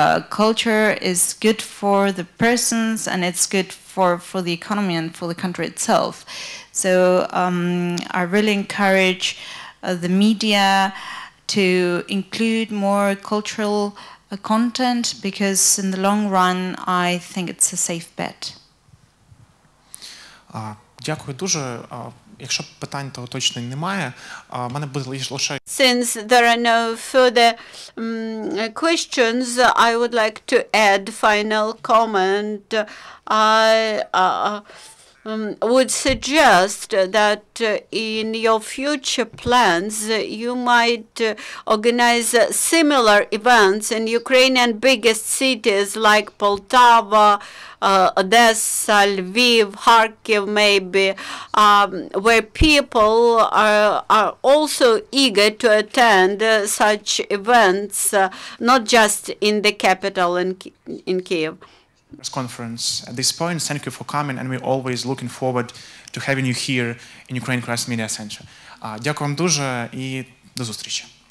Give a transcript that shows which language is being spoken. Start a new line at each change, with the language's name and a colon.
English: Culture is good for the persons and it's good for the economy and for the country itself. So I really encourage the media to include more cultural content because in the long run I think it's a safe bet.
Ukrainian: Дякую дуже. Якщо питань, то точно немає. У мене буде лише...
English: Since there are no further questions, I would like to add final comment. I would suggest that in your future plans, you might organize similar events in Ukrainian biggest cities like Poltava, Odessa, Lviv, Kharkiv, maybe, where people are also eager to attend such events, not just in the capital in Kyiv. Conference. At this point, thank you for coming, and we're always looking forward to having you here in Ukraine Cross Media Center.
Ukrainian: Дякую вам дуже, і до зустрічі.